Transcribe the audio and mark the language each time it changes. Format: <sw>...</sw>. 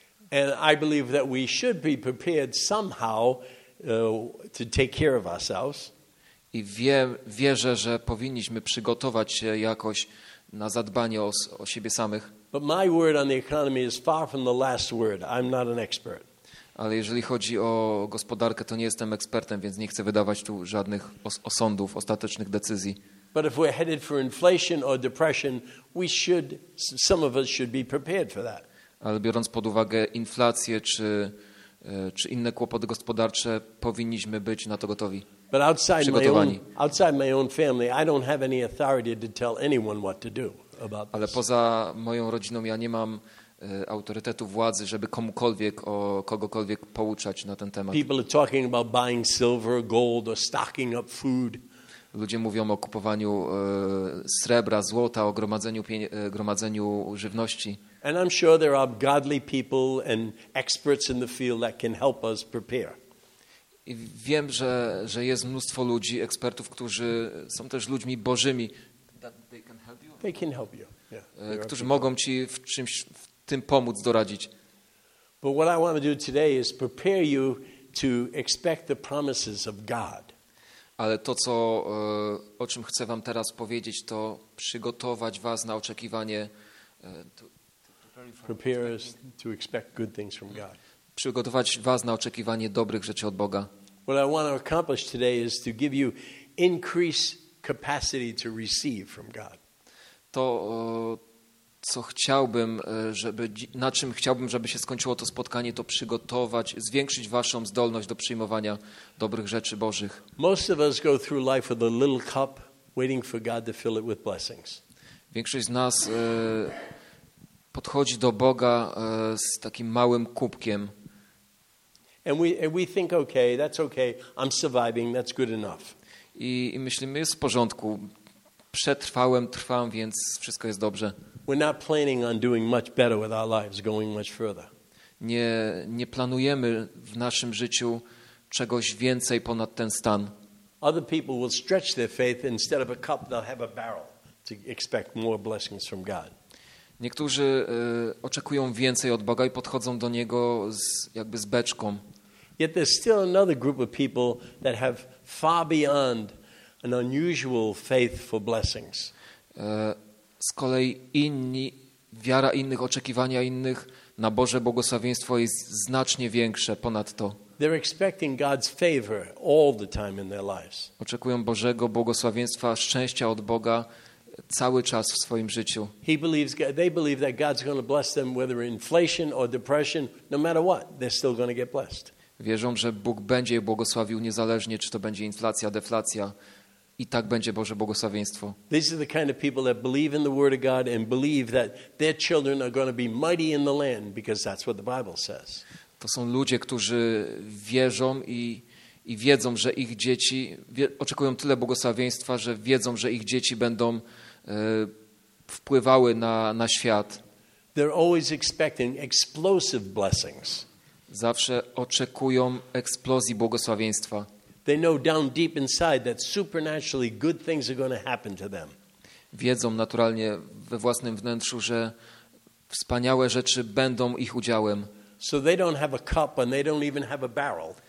<en>And I believe that we should be prepared somehow to take care of ourselves.</en> <pl>I wierzę, że powinniśmy przygotować się jakoś na zadbanie o siebie samych.</pl> <en>But my word on the economy is far from the last word. I'm not an expert.</en> <pl>Ale jeżeli chodzi o gospodarkę, to nie jestem ekspertem, więc nie chcę wydawać tu żadnych osądów, ostatecznych decyzji.</pl> <en>But if we're headed for inflation or depression, we should, some of us should be prepared for that.</en> <pl>Ale biorąc pod uwagę inflację czy inne kłopoty gospodarcze, powinniśmy być na to gotowi.</pl> <en>But outside my own family, I don't have any authority to tell anyone what to do about this.</en> <pl>Ale poza moją rodziną ja nie mam autorytetu, władzy, żeby komukolwiek o kogokolwiek pouczać na ten temat.</pl> <en>People are talking about buying silver, gold or stocking up food.</en> <pl>Ludzie mówią o kupowaniu srebra, złota, o gromadzeniu żywności.</pl> <en>And I'm sure there are godly people and experts in the field that can help us prepare.</en> <pl>I wiem, że jest mnóstwo ludzi, ekspertów, którzy są też ludźmi bożymi.</pl> <en>That they can help you. They can help you. Yeah.</en> <pl>Którzy mogą ci w czymś w tym pomóc, doradzić.</pl> <en>But what I want to do today is prepare you to expect the promises of God.</en> <pl>Ale to, co o czym chcę wam teraz powiedzieć, to przygotować was na oczekiwanie.</pl> <en>Prepare us to expect good things from God.</en> <pl>Przygotować was na oczekiwanie dobrych rzeczy od Boga.</pl> <en>What I want to accomplish today is to give you increased capacity to receive from God.</en> <pl>To, co chciałbym, żeby, na czym chciałbym, żeby się skończyło to spotkanie, to przygotować, zwiększyć waszą zdolność do przyjmowania dobrych rzeczy Bożych.</pl> <en>Most of us go through life with a little cup, waiting for God to fill it with blessings.</en> <pl>Większość z nas podchodzi do Boga z takim małym kubkiem.</pl> <en>And we think, okay, that's okay, I'm surviving, that's good enough.</en> <pl>I myślimy, jest w porządku, przetrwałem, trwam, więc wszystko jest dobrze.</pl> <en>We're not planning on doing much better with our lives, going much further.</en> <pl>Nie planujemy w naszym życiu czegoś więcej ponad ten stan.</pl> <en>Other people will stretch their faith, instead of a cup, they'll have a barrel. to expect more blessings from God.</en> <pl>Niektórzy oczekują więcej od Boga i podchodzą do Niego z, jakby z beczką.</pl> <en>Yet there's still another group of people that have far beyond an unusual faith for blessings.</en> <pl>Z kolei inni, wiara innych, oczekiwania innych na Boże błogosławieństwo jest znacznie większe ponad to.</pl> <en>They're expecting God's favor all the time in their lives.</en> <pl>Oczekują Bożego błogosławieństwa, szczęścia od Boga cały czas w swoim życiu.</pl> <en>He believes, they believe that God's going to bless them whether inflation or depression, no matter what, they're still going to get blessed.</en> <pl>Wierzą, że Bóg będzie je błogosławił niezależnie, czy to będzie inflacja, deflacja, i tak będzie Boże błogosławieństwo.</pl> <en>These are the kind of people that believe in the word of God and believe that their children are going to be mighty in the land because that's what the Bible says.</en> <pl>To są ludzie, którzy wierzą i wiedzą, że ich dzieci oczekują tyle błogosławieństwa, że wiedzą, że ich dzieci będą wpływały na świat.</pl> <en>They're always expecting explosive blessings.</en> <pl>Zawsze oczekują eksplozji błogosławieństwa.</pl> <en>They know down deep inside that supernaturally good things are going to happen to them.</en> <pl>Wiedzą naturalnie we własnym wnętrzu, że wspaniałe rzeczy będą ich udziałem.</pl> <en>So they don't have a cup and they don't even have a barrel.</en>